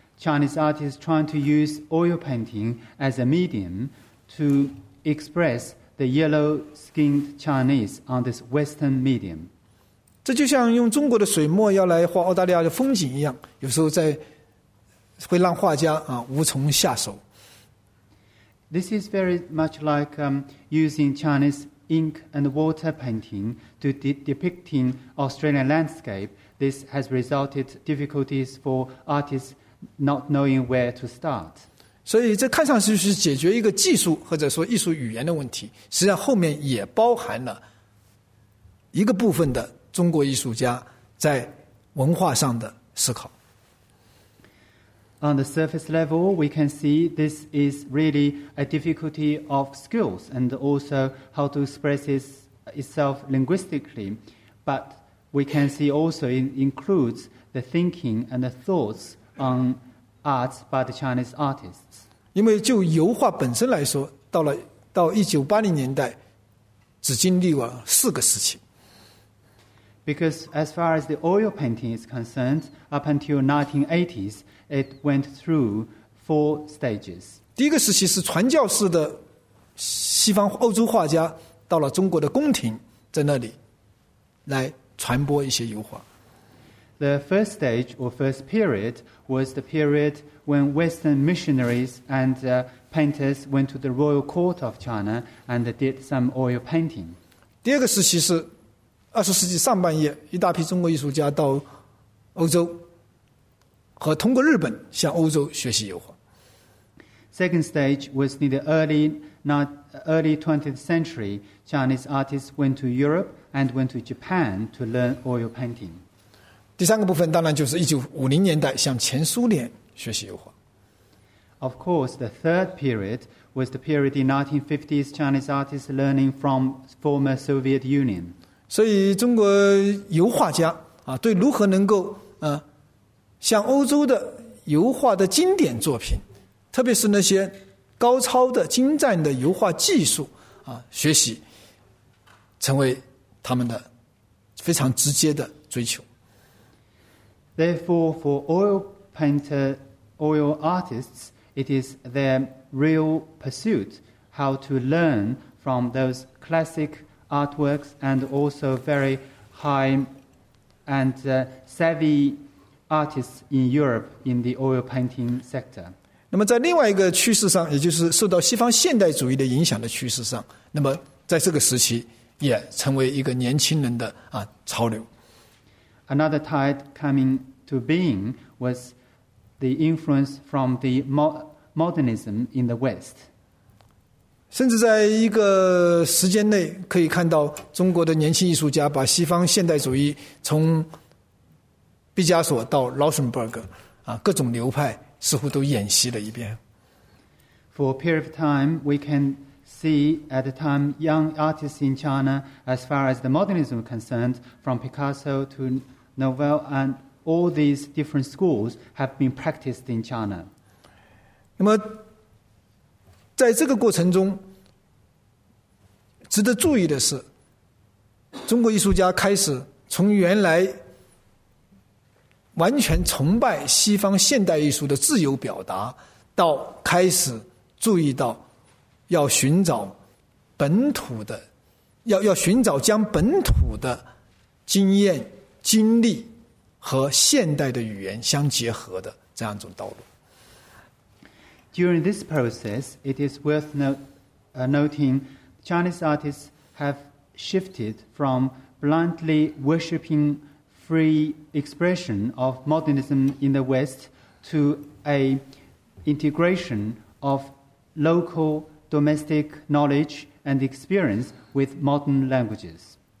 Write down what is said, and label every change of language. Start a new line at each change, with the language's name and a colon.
English: Chinese artists trying to use oil painting as a medium to express the yellow-skinned Chinese on this Western medium.
Chinese: 这就像用中国的水墨要来画澳大利亚的风景一样，有时候在会让画家无从下手。
English: This is very much like using Chinese ink and water painting to depicting Australian landscape. This has resulted difficulties for artists not knowing where to start.
Chinese: 所以这看上去是解决一个技术或者说艺术语言的问题，实际上后面也包含了一个部分的中国艺术家在文化上的思考。
English: On the surface level, we can see this is really a difficulty of skills and also how to express itself linguistically. But we can see also it includes the thinking and the thoughts on arts by the Chinese artists.
Chinese: 因为就油画本身来说，到1980年代，只经历了四个时期。
English: Because as far as the oil painting is concerned, up until 1980s, it went through four stages.
Chinese: 第一个时期是传教士的西方欧洲画家到了中国的宫廷，在那里来传播一些油画。
English: The first stage or first period was the period when Western missionaries and painters went to the royal court of China and did some oil painting.
Chinese: 第二个时期是二十世纪上半叶，一大批中国艺术家到欧洲和通过日本向欧洲学习油画。
English: Second stage was in the early 20th century. Chinese artists went to Europe and went to Japan to learn oil painting.
Chinese: 第三个部分当然就是1950年代向前苏联学习油画。
English: Of course, the third period was the period in 1950s Chinese artists learning from former Soviet Union.
Chinese: 所以中国油画家啊，对如何能够向欧洲的油画的经典作品，特别是那些高超的精湛的油画技术啊，学习成为他们的非常直接的追求。
English: Therefore, for oil painter, oil artists, it is their real pursuit how to learn from those classic artworks and also very high and savvy artists in Europe in the oil painting sector.
Chinese: 那么在另外一个趋势上，也就是受到西方现代主义的影响的趋势上，那么在这个时期也成为一个年轻人的潮流。
English: Another tide coming to being was the influence from the modernism in the West.
Chinese: 甚至在一个时间内可以看到中国的年轻艺术家把西方现代主义从毕加索到劳森伯格各种流派似乎都演习了一遍。
English: For a period of time, we can see at the time young artists in China, as far as the modernism is concerned, from Picasso to Novel, and all these different schools have been practiced in China.
Chinese: 那么，在这个过程中，值得注意的是，中国艺术家开始从原来完全崇拜西方现代艺术的自由表达，到开始注意到要寻找本土的，要寻找将本土的经验、经历和现代的语言相结合的这样一种道路。
English: During this process, it is worth noting Chinese artists have shifted from blindly worshipping free expression of modernism in the West to a integration of local domestic knowledge and experience with modern languages.